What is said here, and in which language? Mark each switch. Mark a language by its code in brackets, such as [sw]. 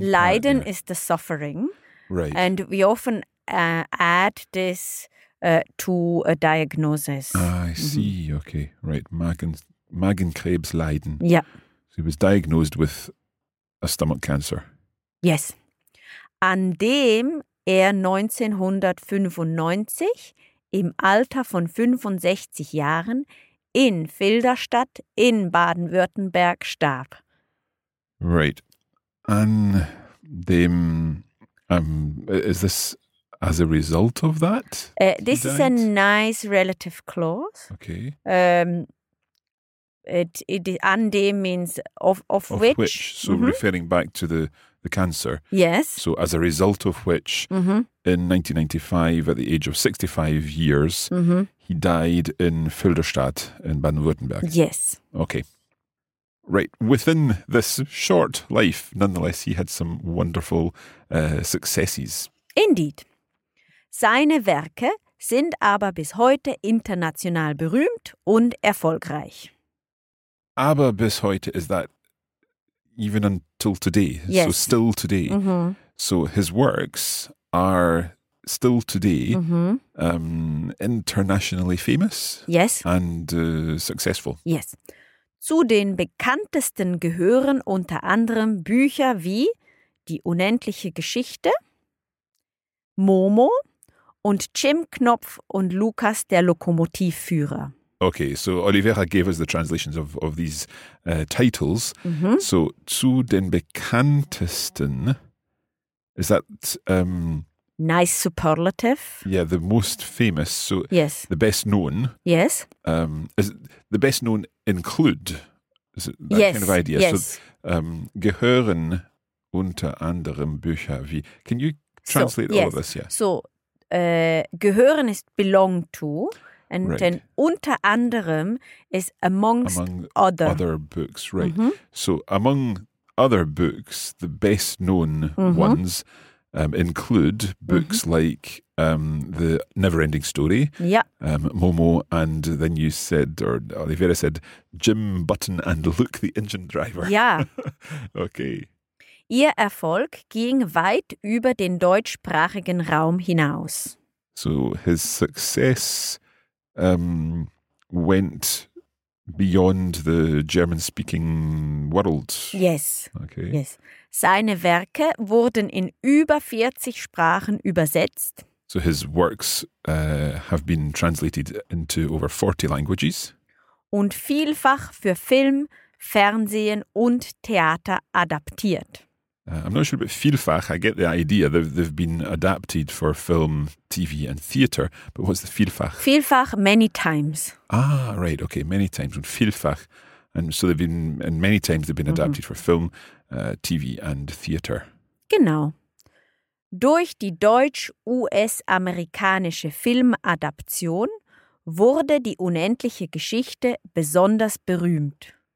[en] Leiden is the suffering. Right. And we often add this to a diagnosis. Ah, I see. Mm-hmm. Okay. Right. [de] Magenkrebs Leiden. [en] Yeah. So he was diagnosed with a stomach cancer. Yes. [de] An dem er 1995 im Alter von 65 Jahren in Filderstadt in Baden-Württemberg starb. [en] Right. [de] An dem, [en] is this as a result of that? This is a nice relative clause. Okay. [de] An dem [en] means of which. So mm-hmm. referring back to the cancer. Yes. So as a result of which, mm-hmm. in 1995, at the age of 65 years, mm-hmm. he died in Filderstadt in Baden-Württemberg. Yes. Okay. Right. Within this short life, nonetheless, he had some wonderful successes. Indeed. [de] Seine Werke sind aber bis heute international berühmt und erfolgreich. Aber bis heute, [en] is that even until today? Yes. So still today. Mm-hmm. So his works are still today mm-hmm. Internationally famous. Yes. And successful. Yes. [de] Zu den bekanntesten gehören unter anderem Bücher wie Die unendliche Geschichte, Momo und Jim Knopf und Lukas der Lokomotivführer. [en] Okay, so Oliveira gave us the translations of these titles. Mm-hmm. So, [de] zu den bekanntesten, [en] is that... nice superlative. Yeah, the most famous. So, yes. The best known. Yes. Is the best known include, is it that yes. kind of idea? Yes, yes. [de] So, gehören unter anderem Bücher wie... [en] Can you translate so, yes. all of this? Yeah. So, gehören is belong to... And right. then [de] unter anderem [en] is among other books, right. Mm-hmm. So among other books, the best known mm-hmm. ones include books mm-hmm. like The Neverending Story, yeah. Momo, and then you said, or Oliveira said, Jim Button and Luke the Engine Driver. Yeah. Okay. [de] Ihr Erfolg ging weit über den deutschsprachigen Raum hinaus. [en] So his success... went beyond the German-speaking world. Yes. Okay. Yes. [de] Seine Werke wurden in über 40 Sprachen übersetzt. [en] So his works have been translated into over 40 languages. [de] Und vielfach für Film, Fernsehen und Theater adaptiert. [en] I'm not sure, but vielfach, I get the idea. They've been adapted for film, TV and theatre. But what's the vielfach? Vielfach, many times. Ah, right. Okay, many times. [de] Und vielfach. [en] And so they've been, and many times they've been adapted mm-hmm. for film, TV and theatre. [de] Genau. Durch die deutsch-US-amerikanische Filmadaption wurde die unendliche Geschichte besonders berühmt.